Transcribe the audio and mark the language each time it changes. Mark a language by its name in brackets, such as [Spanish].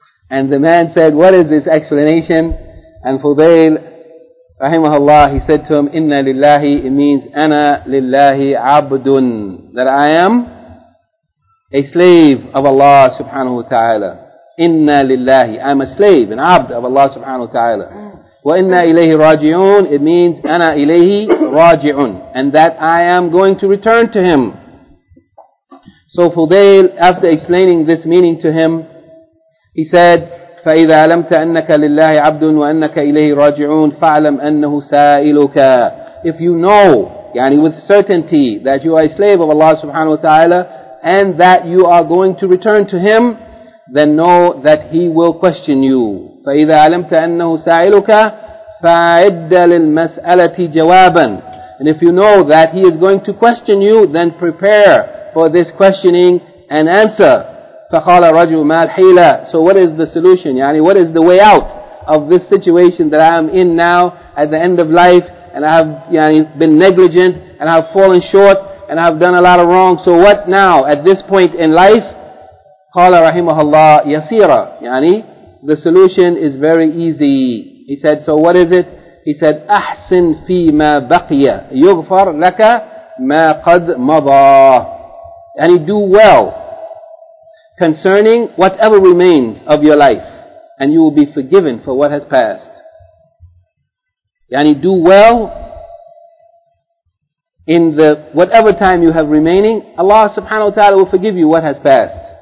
[English] And the man said, "What is this explanation?" And Fudayl, rahimahullah, he said to him, [Arabic] "Inna lillahi," [English] it means, [Arabic] "Ana lillahi abdun," [English] that I am a slave of Allah subhanahu wa ta'ala. [Arabic] Inna lillahi, [English] I am a slave, an abd of Allah subhanahu wa ta'ala. [Arabic] Wa inna ilayhi raji'un, [English] it means, [Arabic] "Ana ilayhi raji'un," [English] and that I am going to return to him. So Fudayl, after explaining this meaning to him, he said, [Arabic] فَإِذَا عَلَمْتَ أَنَّكَ لِلَّهِ عَبْدٌ وَأَنَّكَ إِلَيْهِ رَاجِعُونَ فَعْلَمْ أَنَّهُ سَائِلُكَ. [English] If you know, yani with certainty, that you are a slave of Allah subhanahu wa ta'ala, and that you are going to return to him, then know that he will question you. [Arabic] فَإِذَا عَلَمْتَ أَنَّهُ سَائِلُكَ فَعِدَّ لِلْمَسْأَلَةِ جَوَابًا. [English] And if you know that he is going to question you, then prepare for this questioning an answer. [Arabic] فَقَالَ رَجُلٌ مَا الْحِيلَةُ. [English] So what is the solution? Yani, what is the way out of this situation that I am in now at the end of life, and I have yani, been negligent, and I have fallen short, and I have done a lot of wrong. So what now at this point in life? [Arabic] قَالَ رَحِمَهَ اللَّهُ يَسِيرًا. [English] Yani, the solution is very easy. He said, so what is it? He said, [Arabic] أَحْسِن فِي مَا بَقِيَ يُغْفَرْ لَكَ مَا قَدْ مَضَى. [English] Yani, do well concerning whatever remains of your life, and you will be forgiven for what has passed. Yani, do well in the whatever time you have remaining, Allah subhanahu wa ta'ala will forgive you what has passed.